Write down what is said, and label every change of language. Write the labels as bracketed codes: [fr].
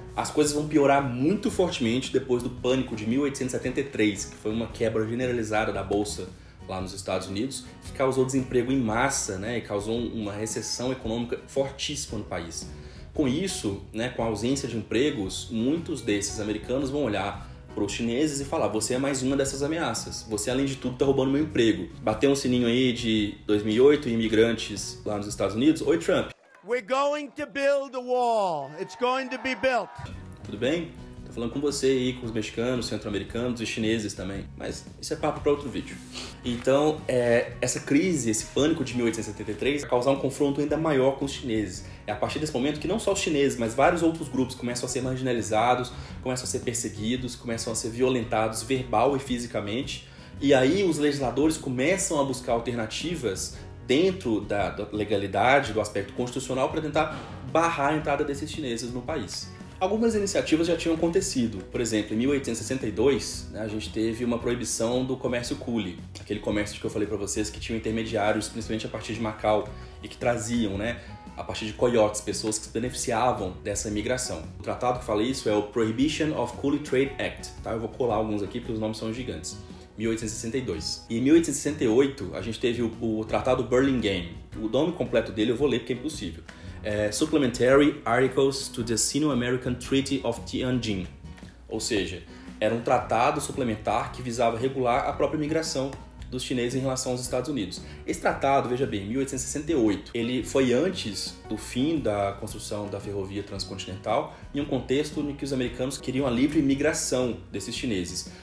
[pt] As coisas vão piorar muito fortemente depois do pânico de 1873, que foi uma quebra generalizada da bolsa lá nos Estados Unidos, que causou desemprego em massa, né, e causou uma recessão econômica fortíssima no país. Com isso, né, com a ausência de empregos, muitos desses americanos vão olhar para os chineses e falar: você é mais uma dessas ameaças, você além de tudo está roubando meu emprego. Bateu um sininho aí de 2008, imigrantes lá nos Estados Unidos, oi Trump. [en] We're going to build a wall. It's going to be built. [pt] Tudo bem? Tô falando com você aí, com os mexicanos, centro-americanos e chineses também. Mas isso é papo para outro vídeo. Então, essa crise, esse pânico de 1873, vai causar um confronto ainda maior com os chineses. É a partir desse momento que não só os chineses, mas vários outros grupos começam a ser marginalizados, começam a ser perseguidos, começam a ser violentados verbal e fisicamente. E aí os legisladores começam a buscar alternativas dentro da legalidade, do aspecto constitucional, para tentar barrar a entrada desses chineses no país. Algumas iniciativas já tinham acontecido. Por exemplo, em 1862, né, a gente teve uma proibição do comércio cule, aquele comércio que eu falei para vocês que tinham intermediários, principalmente a partir de Macau, e que traziam, né, a partir de coiotes, pessoas que se beneficiavam dessa imigração. O tratado que fala isso é o Prohibition of Cule Trade Act. Tá? Eu vou colar alguns aqui porque os nomes são gigantes. 1862. E em 1868, a gente teve o Tratado Burlingame. O nome completo dele eu vou ler porque é impossível. É Supplementary Articles to the Sino-American Treaty of Tianjin. Ou seja, era um tratado suplementar que visava regular a própria imigração dos chineses em relação aos Estados Unidos. Esse tratado, veja bem, 1868, ele foi antes do fim da construção da ferrovia transcontinental, em um contexto em que os americanos queriam a livre migração desses chineses.